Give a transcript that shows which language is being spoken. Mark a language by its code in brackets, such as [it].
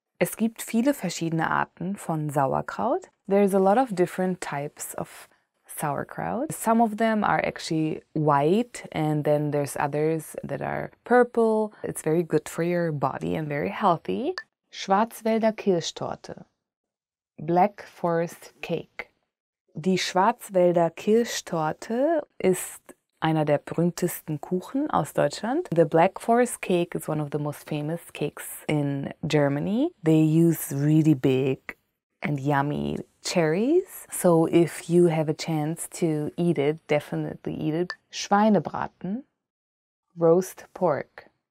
[de] Es gibt viele verschiedene Arten von Sauerkraut. [en] There's a lot of different types of sauerkraut. Some of them are actually white, and then there's others that are purple. It's very good for your body and very healthy. Schwarzwälder Kirschtorte. Black Forest Cake. [de] Die Schwarzwälder Kirschtorte ist einer der berühmtesten Kuchen aus Deutschland. [en] The Black Forest Cake is one of the most famous cakes in Germany. They use really big and yummy cherries. So if you have a chance to eat it, definitely eat it. Schweinebraten. Roast pork.